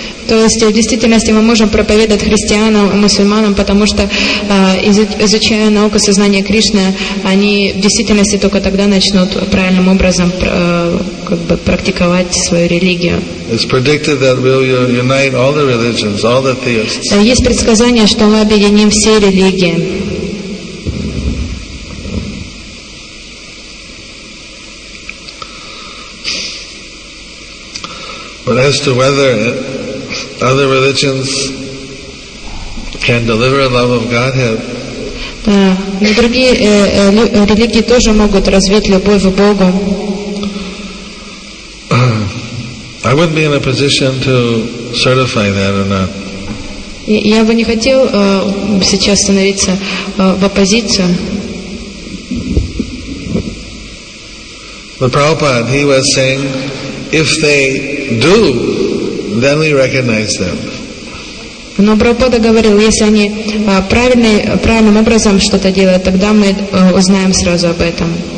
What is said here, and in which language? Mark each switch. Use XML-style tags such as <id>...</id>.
<ru>То есть в действительности мы можем проповедовать христианам и мусульманам, потому что изучая науку сознания Кришны, они в действительности только тогда начнут правильным образом как бы практиковать свою религию.</ru> <en>It's predicted that we'll unite all the religions, all the theists.</en> <ru>Есть предсказание, что мы объединим все религии.</ru> <en>But as to whether other religions can deliver love of Godhead.</en> <ru>Другие религии тоже могут развить любовь к Богу.</ru> <en>I wouldn't be in a position to certify that or not.</en> <ru>Я бы не хотел сейчас становиться в оппозицию.</ru> <en>But Prabhupada, he was saying, if they do, then we recognize them.</en> <ru>Но Прабхупада говорил, если они правильным образом что-то делают, тогда мы узнаем сразу об этом.</ru>